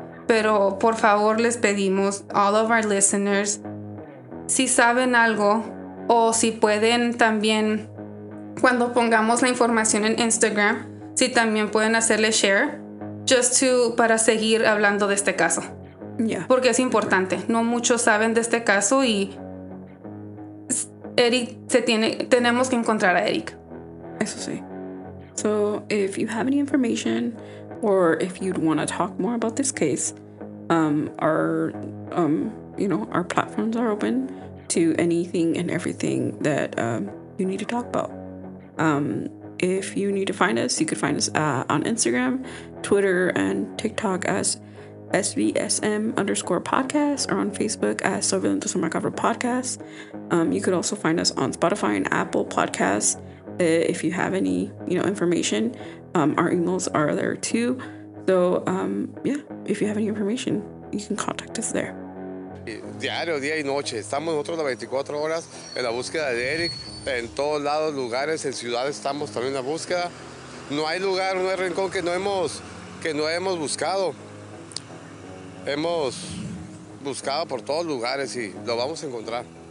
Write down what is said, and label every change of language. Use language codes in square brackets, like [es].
[es] Pero por favor, les pedimos, [en] all of our listeners, [es] si saben algo o si pueden también, cuando pongamos la información en Instagram, si también pueden hacerle share, [en] just to, [es] para seguir hablando de este caso. Yeah. Porque es importante. No muchos saben de este caso y Erick tenemos que encontrar a Erick. Eso sí. [en] So if you have any information, or if you'd want to talk more about this case, our platforms are open to anything and everything that you need to talk about. If you need to find us, you could find us on Instagram, Twitter, and TikTok as SVSM_podcast, or on Facebook as Sobrelento Soma Cabra Podcast. You could also find us on Spotify and Apple Podcasts. If you have any, information, our emails are there too. So, if you have any information, you can contact us there. [es] Diario, día y noche, estamos nosotros las 24 horas en la búsqueda de Erick. En todos lados, lugares, en ciudades, estamos también en la búsqueda. No hay lugar, no hay rincón que no hemos buscado. Hemos buscado por todos lugares y lo vamos a encontrar.